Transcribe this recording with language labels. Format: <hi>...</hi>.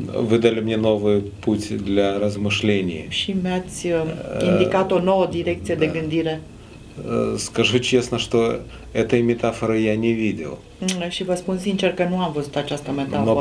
<ru>выдали мне новый путь для размышлений.</ru> <ro>Și mi-ați indicat o nouă direcție de gândire.</ro> <ru>Скажу честно, что этой метафоры я не видел.</ru> <ro>Și vă spun sincer că nu am văzut această metaforă.</ro>